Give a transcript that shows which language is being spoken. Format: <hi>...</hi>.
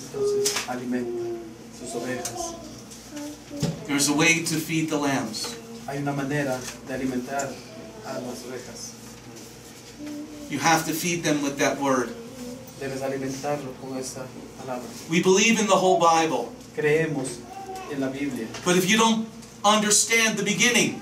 <es>Entonces, alimenta sus ovejas.</es> <en>There's a way to feed the lambs.</en> <es>Hay una manera de alimentar a las ovejas.</es> <en>You have to feed them with that word.</en> <es>Debes alimentarlo con esa palabra.</es> <en>We believe in the whole Bible.</en> <es>Creemos en la Biblia.</es> <en>But if you don't understand the beginning,</en>